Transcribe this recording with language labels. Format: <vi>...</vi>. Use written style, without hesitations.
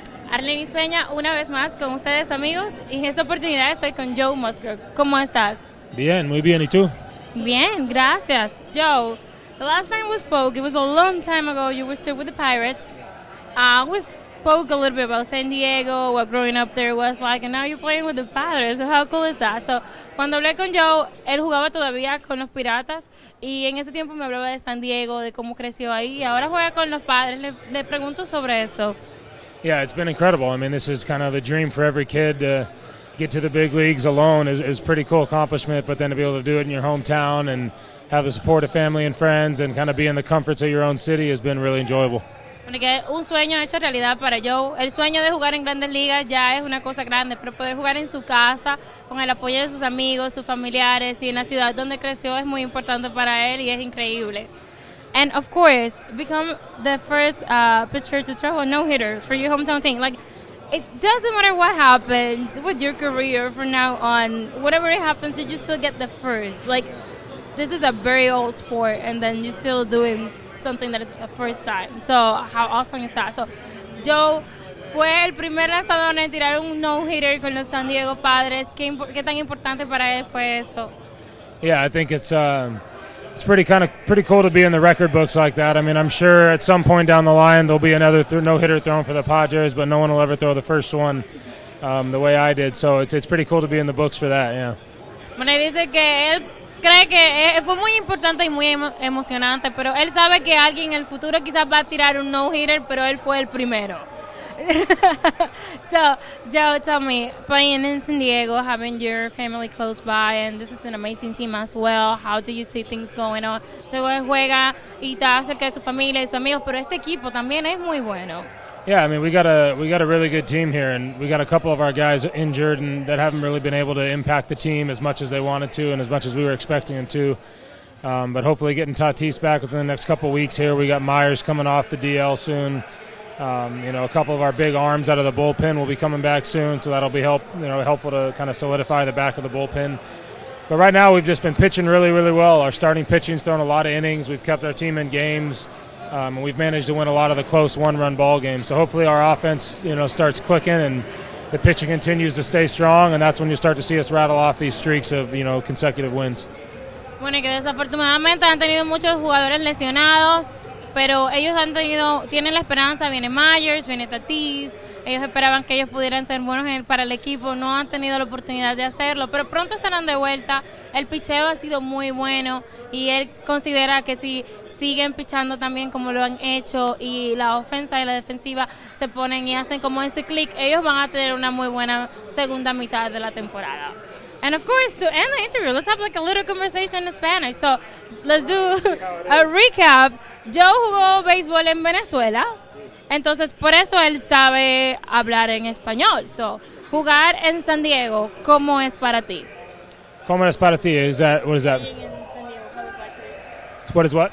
<es>Arlenis Peña, una vez más con ustedes, amigos. Y en esta oportunidad estoy con Joe Musgrove. ¿Cómo estás? Bien, muy bien. ¿Y tú? Bien, gracias.</es> <en>Joe, the last time we spoke, it was a long time ago, you were still with the Pirates. We spoke a little bit about San Diego, what growing up there was like, and now you're playing with the Padres. So how cool is that?</en> <es>So, cuando hablé con Joe, él jugaba todavía con los Piratas, y en ese tiempo me hablaba de San Diego, de cómo creció ahí, y ahora juega con los Padres. Le pregunto sobre eso.</es> <en>Yeah, it's been incredible. I mean, this is kind of the dream for every kid to get to the big leagues alone is a pretty cool accomplishment, but then to be able to do it in your hometown and have the support of family and friends and kind of be in the comforts of your own city has been really enjoyable.</en> <es>Porque un sueño hecho realidad para Joe. El sueño de jugar en grandes ligas ya es una cosa grande, pero poder jugar en su casa con el apoyo de sus amigos, sus familiares y en la ciudad donde creció es muy importante para él y es increíble.</es> <en>And of course, become the first pitcher to throw a no-hitter for your hometown team. Like, it doesn't matter what happens with your career from now on. Whatever it happens, you just still get the first. Like, this is a very old sport, and then you're still doing something that is the first time. So, how awesome is that?</en> <es>So, Joe fue el primer lanzador en tirar un no-hitter con los San Diego Padres. ¿Qué tan importante para él fue eso?</es> <en>Yeah, I think it's... It's pretty cool to be in the record books like that. I mean, I'm sure at some point down the line there'll be another no-hitter thrown for the Padres, but no one will ever throw the first one the way I did. So it's pretty cool to be in the books for that. Yeah.</en> <es>Bueno, dice que él cree que fue muy importante y muy emocionante, pero él sabe que alguien en el futuro quizás va a tirar un no-hitter, pero él fue el primero.</es> <en>So, Joe, tell me, playing in San Diego, having your family close by, and this is an amazing team as well. How do you see things going on?</en> <es>So, él juega y está cerca de su familia y sus amigos, pero este equipo también es muy bueno.</es> <en>Yeah, I mean, we got a really good team here, and we got a couple of our guys injured and that haven't really been able to impact the team as much as they wanted to and as much as we were expecting them to. But hopefully getting Tatis back within the next couple of weeks here. We got Myers coming off the DL soon. You know, a couple of our big arms out of the bullpen will be coming back soon, so that'll be helpful to kind of solidify the back of the bullpen. But right now, we've just been pitching really, really well. Our starting pitching's thrown a lot of innings. We've kept our team in games, and we've managed to win a lot of the close one-run ball games. So hopefully, our offense, you know, starts clicking and the pitching continues to stay strong, and that's when you start to see us rattle off these streaks of, you know, consecutive wins.</en> <es>Bueno, que desafortunadamente han tenido muchos jugadores lesionados. Pero ellos han tenido, tienen la esperanza, viene Myers, viene Tatis, ellos esperaban que ellos pudieran ser buenos para el equipo, no han tenido la oportunidad de hacerlo, pero pronto estarán de vuelta, el picheo ha sido muy bueno y él considera que si siguen pichando también como lo han hecho y la ofensa y la defensiva se ponen y hacen como ese click, ellos van a tener una muy buena segunda mitad de la temporada.</es> <en>And of course, to end the interview, let's have like a little conversation in Spanish. So, let's do a recap.</en> <es>Joe jugó béisbol en Venezuela, entonces por eso él sabe hablar en español. So, jugar en San Diego, ¿cómo es para ti? ¿Cómo es para ti?</es> <en>Is that, what is that? Being in San Diego, what is what?</en>